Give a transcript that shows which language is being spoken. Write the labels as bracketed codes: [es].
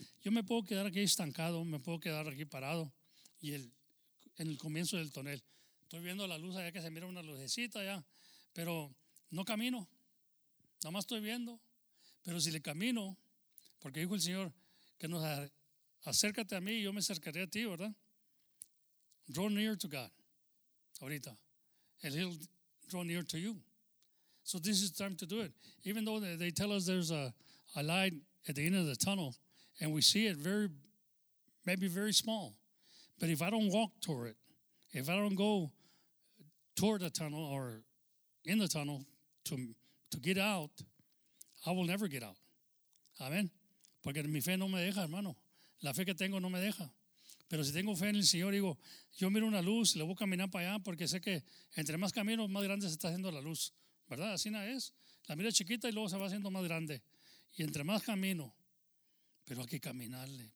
[es] Yo me puedo quedar aquí estancado, me puedo quedar aquí parado, y en el comienzo del túnel. Estoy viendo la luz allá, que se mira una lucecita allá, pero no camino. Nada más estoy viendo, pero si le camino, porque dijo el Señor que nos acércate a mí y yo me acercaré a ti, ¿verdad? [en] Draw near to God, [es] ahorita. [en] And He'll draw near to you. So this is time to do it. Even though they tell us there's a light at the end of the tunnel, and we see it maybe very small, but if I don't walk toward it, if I don't go toward the tunnel or in the tunnel to get out, I will never get out. [es] Amen. Porque mi fe no me deja, hermano. La fe que tengo no me deja. Pero si tengo fe en el Señor, digo, yo miro una luz, le voy a caminar para allá, porque sé que entre más camino, más grande se está haciendo la luz. ¿Verdad? Así no es. La mira chiquita y luego se va haciendo más grande. Y entre más camino, pero hay que caminarle.